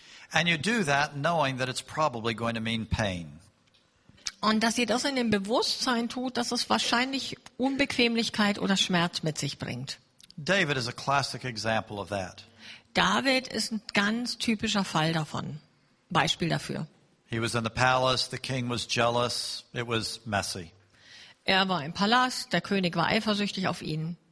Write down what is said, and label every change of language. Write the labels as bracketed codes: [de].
[en] And you do that knowing that it's probably going to mean pain. [de] Und dass ihr das in dem Bewusstsein tut, dass es wahrscheinlich Unbequemlichkeit oder Schmerz mit sich bringt. [en] David is a classic example of that. [de] David ist ein ganz typischer Fall davon. Beispiel dafür. [en] He was in the palace, the king was jealous, it was messy. [de] Er war im Palast, der König war eifersüchtig auf ihn.